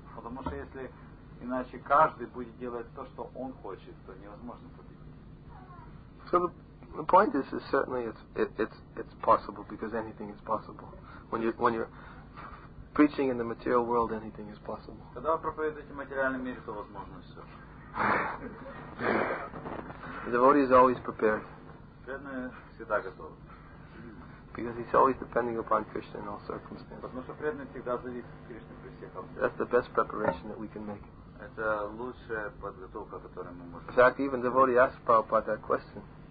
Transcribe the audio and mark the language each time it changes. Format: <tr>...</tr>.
<ru>Потому что если иначе каждый будет делать то, что он хочет, то невозможно победить.</ru> <en>So the point is certainly it's possible, because anything is possible. When you're preaching in the material world, anything is possible.</en> <ru>Когда вы проповедуете в материальном мире, то возможно все.</ru> <en>The devotee is always prepared.</en> <ru>Преданный всегда готов.</ru> <en>Because he's always depending upon Krishna in all circumstances.</en> <ru>Потому что преданный всегда зависит от Кришны при всех обстоятельствах.</ru> <en>That's the best preparation that we can make.</en> <ru>Это лучшая подготовка, которую мы можем.</ru> <en>In fact, even devotee asked Prabhupada that question.</en>